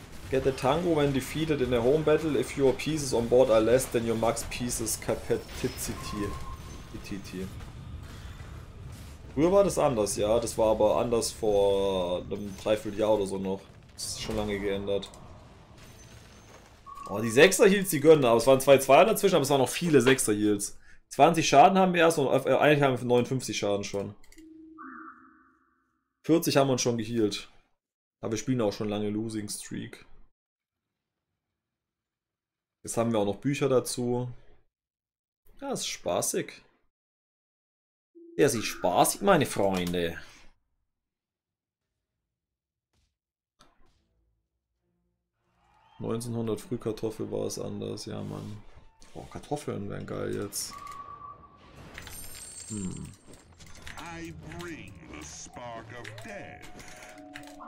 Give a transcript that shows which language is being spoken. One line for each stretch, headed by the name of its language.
English: Get the Tango when defeated in a home battle. If your pieces on board are less than your max pieces capacity.
German: Früher war das anders, ja. Das war aber anders vor einem Dreivierteljahr oder so noch. Das ist schon lange geändert. Oh, die 6er Heals, die gönnen, aber es waren 2-2er dazwischen, aber es waren noch viele 6er Heals. 20 Schaden haben wir erst und eigentlich haben wir 59 Schaden schon. 40 haben wir uns schon gehealt. Aber wir spielen auch schon lange Losing Streak. Jetzt haben wir auch noch Bücher dazu. Ja, ist spaßig. Der ist spaßig, meine Freunde. Frühkartoffel war es anders, ja man. Oh, Kartoffeln wären geil jetzt.
English: I bring the spark of death.